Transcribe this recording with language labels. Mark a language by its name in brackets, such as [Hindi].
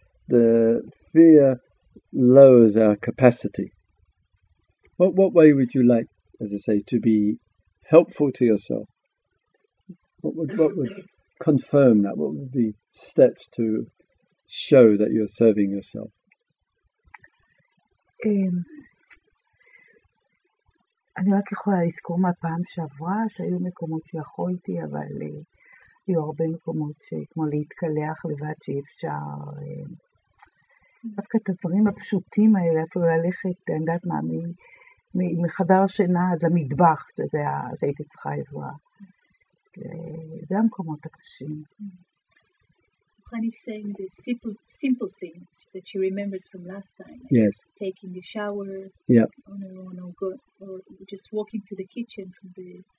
[English] The fear lowers our capacity. What way would you like, as I say, to be helpful to yourself? What would confirm that? What would be steps to show that you're serving yourself? [Hebrew] אני רק יכולה לזכור מהפעם שעברה שהיו מקומות שיכולתי, אבל היו הרבה מקומות שכמו להתקלח לבד שאי אפשר. דווקא את הדברים הפשוטים האלה, אפילו ללכת, אני יודעת מה, מחדר שינה עד למטבח, שזה הייתי צריכה עזרה. זה המקומות הקשים. [English] Honey saying the simple things that she remembers from last time. Like yes. Taking a shower. Yeah. On her own, or just walking to the kitchen from the.